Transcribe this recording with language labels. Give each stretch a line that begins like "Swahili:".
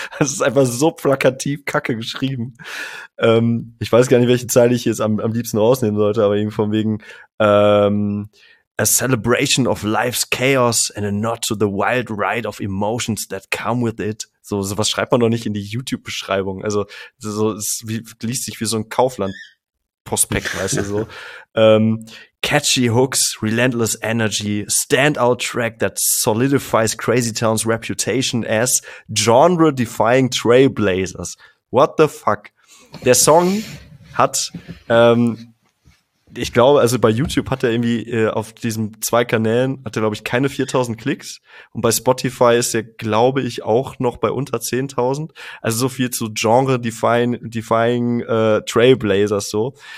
German: Es ist einfach so plakativ kacke geschrieben. Ich weiß gar nicht, welche Zeile ich jetzt am liebsten rausnehmen sollte, aber irgendwie von wegen
English: a celebration of life's chaos and a nod to the wild ride of emotions that come with it.
German: So was schreibt man doch nicht in die YouTube-Beschreibung. Also so liest sich wie so ein Kaufland-Prospekt, weißt du so.
English: Catchy hooks, relentless energy, standout track that solidifies Crazy Town's reputation as genre-defying trailblazers. What the fuck?
German: Der Song hat, ich glaube, also bei YouTube hat er irgendwie auf diesen 2 Kanälen, hat er, glaube ich, keine 4.000 Klicks. Und bei Spotify ist er, glaube ich, auch noch bei unter 10.000. Also so viel zu
English: genre-defying trailblazers
German: so.